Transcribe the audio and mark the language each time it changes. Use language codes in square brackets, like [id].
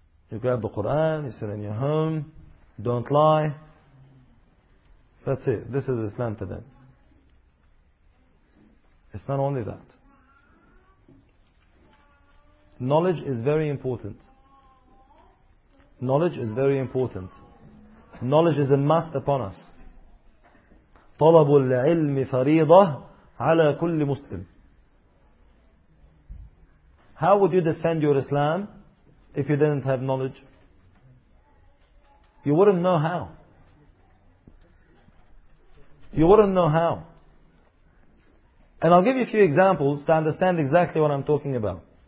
[en] You grab the Quran, you sit in your home, don't lie. That's it. This is Islam to them. It's not only that. Knowledge is very important. Knowledge is very important. Knowledge is a must upon us. [ar] طلب العلم فريضة على كل مسلم. [en] How would you defend your Islam if you didn't have knowledge? You wouldn't know how. You wouldn't know how. And I'll give you a few examples to understand exactly what I'm talking about.